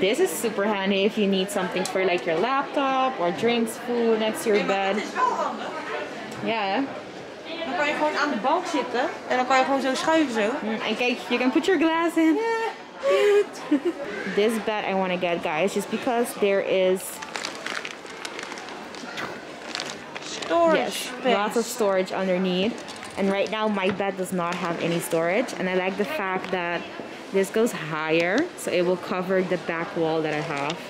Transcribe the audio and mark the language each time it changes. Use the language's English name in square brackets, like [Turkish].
[English] This is super handy if you need something for like your laptop or drinks, food next to your bed. Yeah. [Dutch] Dan kan je gewoon aan de bank zitten en dan kan je gewoon zo schuiven zo. En kijk, [English] you can put your glass in. Yeah, cute. This bed I want to get, guys, just because there is storage. Yes, lots of storage underneath. And right now my bed does not have any storage. And I like the fact that this goes higher, so it will cover the back wall that I have.